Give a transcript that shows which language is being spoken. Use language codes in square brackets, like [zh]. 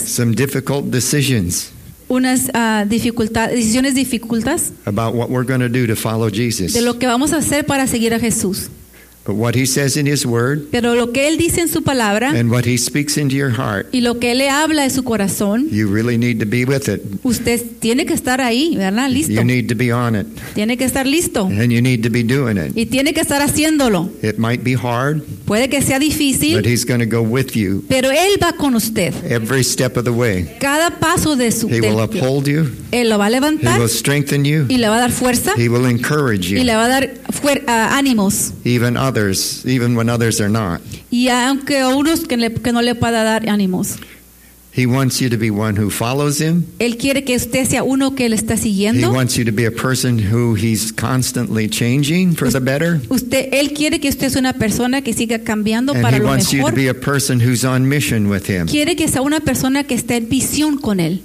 [en] Some difficult decisions. [es] Unas decisiones dificultas. [en] About what we're going to do to follow Jesus. [es] De lo que vamos a hacer para seguir a Jesús. [en] But what he says in his word, [es] pero lo que él dice en su palabra, [en] and what he speaks into your heart, [es] y lo que él le habla de su corazón, [en] you really need to be with it. [es] Usted tiene que estar ahí, ¿verdad? Listo. [en] You need to be on it. [es] Tiene que estar listo. [en] And you need to be doing it. [es] Y tiene que estar haciéndolo. [en] It might be hard, [es] puede que sea difícil, [en] but he's going to go with you. [es] Pero él va con usted. [en] Every step of the way. [es] Cada paso de su [en] he will uphold you. [es] Él lo va a levantar. [en] He will strengthen you. [es] Y le va a dar fuerza. [en] He will encourage you. [es] Y le va a dar ánimos. [en] Even up. Others, even when others are not. [es] Y aunque unos que no le pueda dar ánimos. [en] He wants you to be one who follows him. [es] Él quiere que usted sea uno que le está siguiendo. [en] He wants you to be a person who he's constantly changing for the better. [es] Usted, él quiere que usted sea una persona que siga cambiando [en] and [es] para lo mejor. [en] He wants you to be a person who's on mission with him. [es] Quiere que sea una persona que esté en visión con él.